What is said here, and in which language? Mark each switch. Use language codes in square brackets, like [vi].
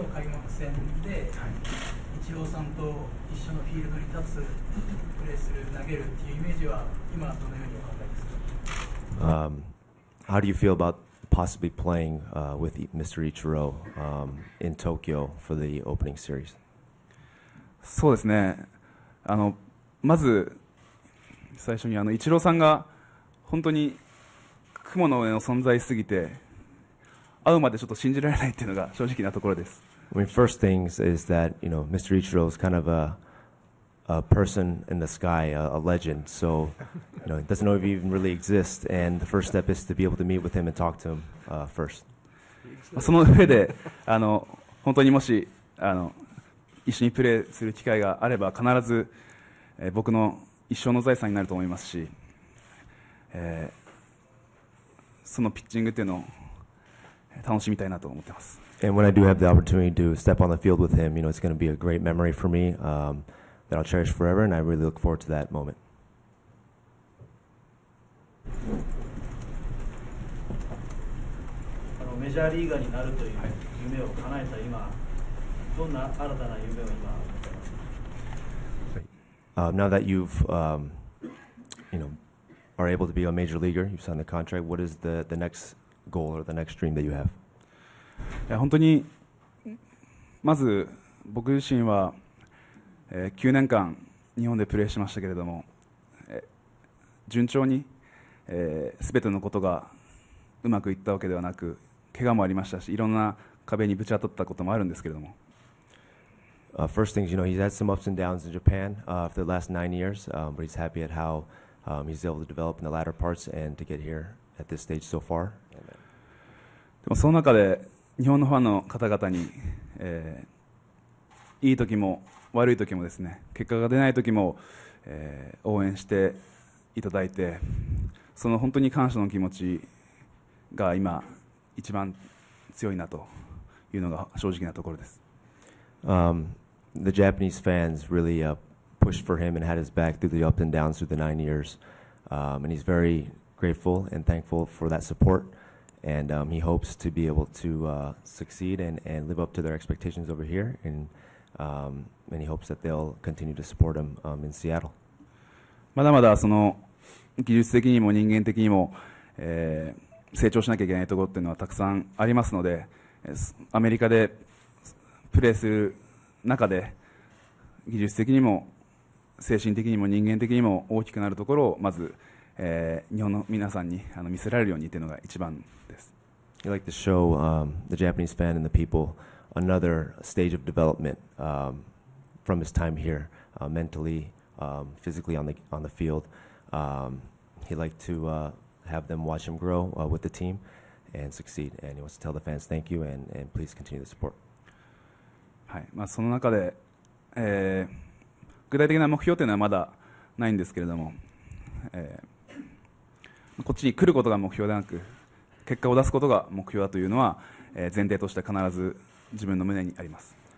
[ja] イチローさんと一緒のフィールドに立つ、プレーする、投げるっていうイメージは今はどのようにお考えですか？ [en] How do you feel about possibly playing with Mr. Ichiro in Tokyo for the opening series? [ja] そうですね。まず最初にイチローさんが本当に雲の上の存在すぎて会うまでちょっと信じられないっていうのが正直なところです。 [en] I mean, first things is that, you know, Mr. Ichiro is kind of a person in the sky, a legend. So, you know, he doesn't know if he even really exists. And the first step is to be able to meet with him and talk to him first. [ja] その上で、本当にもし、一緒にプレーする機会があれば、必ず、僕の一生の財産になると思いますし、そのピッチングっていうのを楽しみたいなと思ってます。 [en] And when I do have the opportunity to step on the field with him, you know, it's going to be a great memory for me that I'll cherish forever, and I really look forward to that moment. [ja] メジャーリーガーになるという夢を叶えた今、どんな新たな夢を今持ってますか？ [en] Now that you've, you know, are able to be a major leaguer, you've signed the contract, what is the next goal or the next dream that you have? [ja] いや本当にまず僕自身は、9年間日本でプレーしましたけれども、順調に、全てのことがうまくいったわけではなく怪我もありましたしいろんな壁にぶち当たったこともあるんですけれども、 [en] First things, you know, he's had some ups and downs in Japan for the last 9 years, but he's happy at how he's able to develop in the latter parts and to get here at this stage so far. [ja] でもその中で日本のファンの方々に、いい時も悪い時もですね、結果が出ない時も、応援していただいて、その本当に感謝の気持ちが今一番強いなというのが正直なところです。 [en] The Japanese fans really pushed for him and had his back through the ups and downs through the 9 years, and he's very grateful and thankful for that support. And he hopes to be able to succeed and live up to their expectations over here. And he hopes that they'll continue to support him in Seattle. [ja] まだまだその技術的にも人間的にも、成長しなきゃいけないところっていうのはたくさんありますので、アメリカでプレーする中で技術的にも精神的にも人間的にも大きくなるところをまず。日本の皆さんに見せられるようにというのが一番です。 [en] He'd like to show the Japanese fan and the people another stage of development from his time here, mentally, physically on the field. He'd like to have them watch him grow with the team and succeed. And he wants to tell the fans thank you and please continue the support. [ja] はい、まあその中で、具体的な目標というのはまだないんですけれども。こっちに来ることが目標ではなく結果を出すことが目標だというのは、前提として必ず自分の胸にあります。